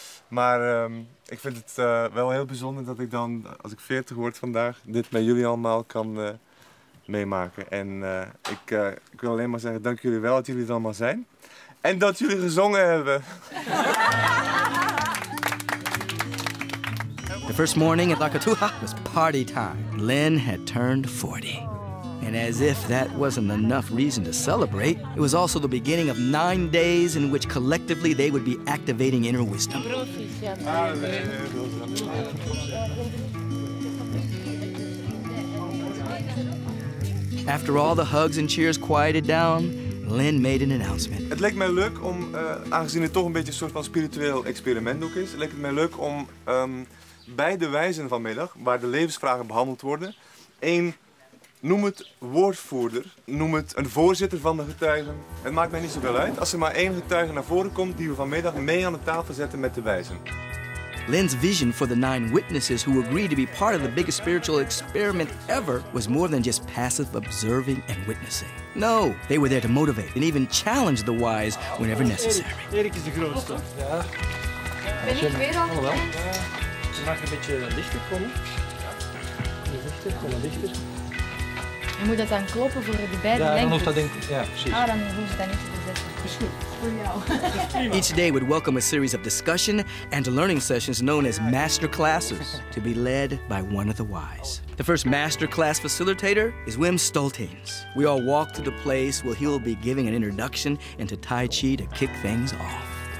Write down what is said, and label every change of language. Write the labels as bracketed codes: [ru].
[nl] Maar ik vind het wel heel bijzonder dat ik dan, als ik 40 word vandaag, dit met jullie allemaal kan meemaken. En ik wil alleen maar zeggen, dank jullie wel dat jullie er allemaal zijn. En dat jullie gezongen hebben. [en] The first morning at Lakatuha was party time. Lynn had turned 40. And as if that wasn't enough reason to celebrate, it was also the beginning of 9 days in which collectively they would be activating inner wisdom. After all the hugs and cheers quieted down, Lynn made an announcement. [nl] Het leek mij leuk om, aangezien het toch een beetje een soort van spiritueel experiment ook is, leek het mij leuk om bij de wijzen vanmiddag, waar de levensvragen behandeld worden, één, noem het woordvoerder, noem het een voorzitter van de getuigen. Het maakt mij niet zoveel uit als er maar één getuige naar voren komt die we vanmiddag mee aan de tafel zetten met de wijzen. [en] Lynn's vision for the 9 witnesses who agreed to be part of the biggest spiritual experiment ever was more than just passive observing and witnessing. No, they were there to motivate and even challenge the wise whenever necessary. [nl] Erik is de grootste. Ja. Ben ik weer al? Hallo. Mag ik een beetje lichter komen. Je moet dat dan kloppen voor de beide lengtes. Ja, dan hoeft dat denk ik. Ja, precies. Ah, dan hoef je dat niet te zetten. [en] Each day would welcome a series of discussion and learning sessions known as master classes to be led by one of the wise. The first master class facilitator is Wim Stoltens. We all walk to the place where he'll be giving an introduction into Tai Chi to kick things off.